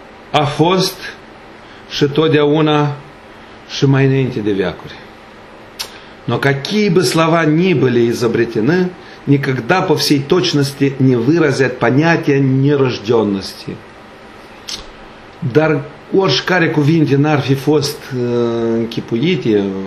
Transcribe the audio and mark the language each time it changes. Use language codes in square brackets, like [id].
[ro] A fost și totdeauna și mai înainte de veacuri. [ru] Но какие бы слова ни были изобретены, никогда по всей точности не выразят понятия нерожденности. [ro] Dar oricare cuvinte n-ar fi fost închipuite,